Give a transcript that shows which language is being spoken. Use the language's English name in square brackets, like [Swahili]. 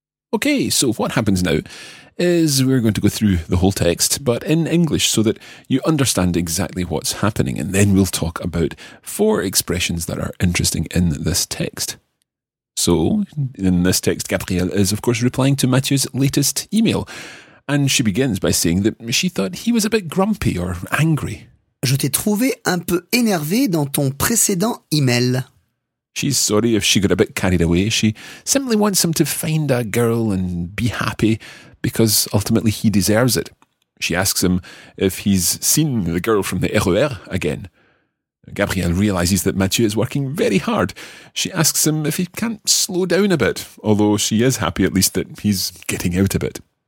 [English] Okay, so what happens now is we're going to go through the whole text, but in English, so that you understand exactly what's happening, and then we'll talk about four expressions that are interesting in this text. So, in this text, Gabrielle is, of course, replying to Mathieu's latest email, and she begins by saying that she thought he was a bit grumpy or angry. [French] Je t'ai trouvé un peu énervé dans ton précédent email. [English] She's sorry if she got a bit carried away. She simply wants him to find a girl and be happy, because ultimately he deserves it. She asks him if he's seen the girl from the RER again. Gabrielle realises that Mathieu is working very hard. She asks him if he can't slow down a bit, although she is happy at least that he's getting out a bit.